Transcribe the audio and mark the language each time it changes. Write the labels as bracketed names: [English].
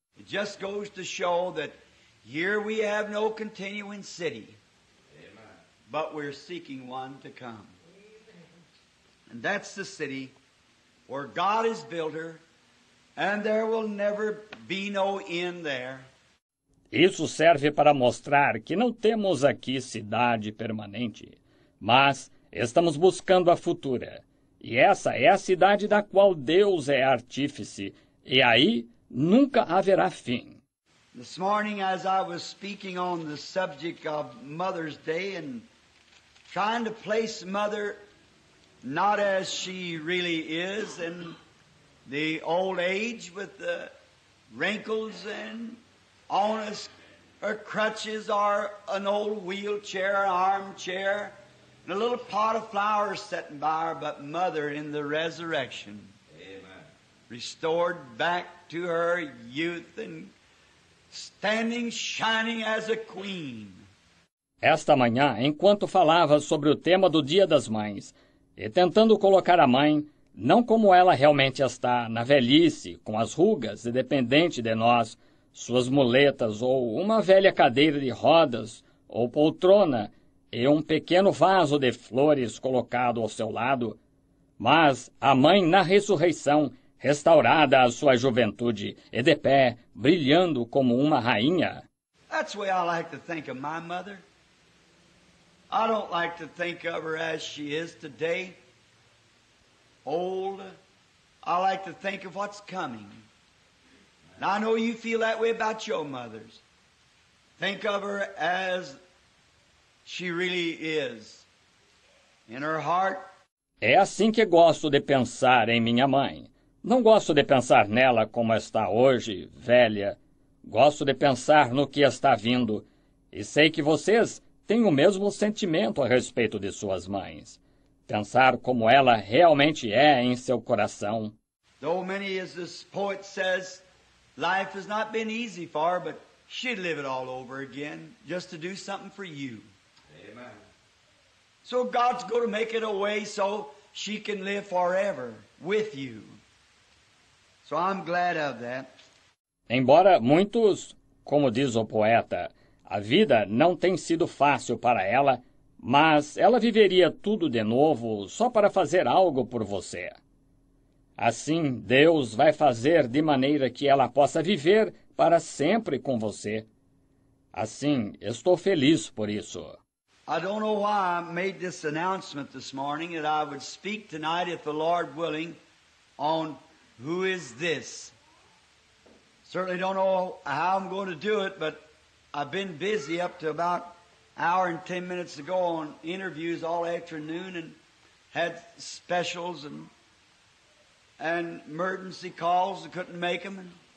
[English] It just goes to show that here we have no continuing city. Amen. But we're seeking one to come. Amen. And that's the city where God has built her, and there will never be no end there. [Portuguese] Isso serve para mostrar que não temos aqui cidade permanente, mas estamos buscando a futura. E essa é a cidade da qual Deus é artífice, e aí nunca haverá fim. [English] This morning, as I was speaking on the subject of Mother's Day and trying to place Mother not as she really is in the old age with the wrinkles and onus, her crutches are an old wheelchair, armchair, a little pot of flowers sitting by her, but Mother in the resurrection. Amen. Restored back to her youth and standing shining as a queen. [Portuguese] Esta manhã, enquanto falava sobre o tema do Dia das Mães, e tentando colocar a mãe, não como ela realmente está, na velhice, com as rugas e dependente de nós, suas muletas ou uma velha cadeira de rodas ou poltrona, e um pequeno vaso de flores colocado ao seu lado, mas a mãe na ressurreição, restaurada à sua juventude, e de pé, brilhando como uma rainha. [English] That's the way I like to think of my mother. I don't like to think of her as she is today, old. I like to think of what's coming. And I know you feel that way about your mothers. Think of her as she really is, in her heart. [Portuguese] É assim que gosto de pensar em minha mãe. Não gosto de pensar nela como está hoje, velha. Gosto de pensar no que está vindo. E sei que vocês têm o mesmo sentimento a respeito de suas mães. Pensar como ela realmente é em seu coração. [English] Though many, as this poet says, life has not been easy for her, but she'd live it all over again, just to do something for you. Amen. So God's going to make it a way so she can live forever with you. So I'm glad of that. [Portuguese] Embora muitos, como diz o poeta, A vida não tem sido fácil para ela, mas ela viveria tudo de novo só para fazer algo por você. Assim, Deus vai fazer de maneira que ela possa viver para sempre com você. Assim, estou feliz por isso. [English] I don't know why I made this announcement this morning that I would speak tonight, if the Lord willing, on who is this. Certainly don't know how I'm going to do it, but I've been busy up to about an hour and 10 minutes ago on interviews all afternoon and had specials and emergency calls and couldn't make them.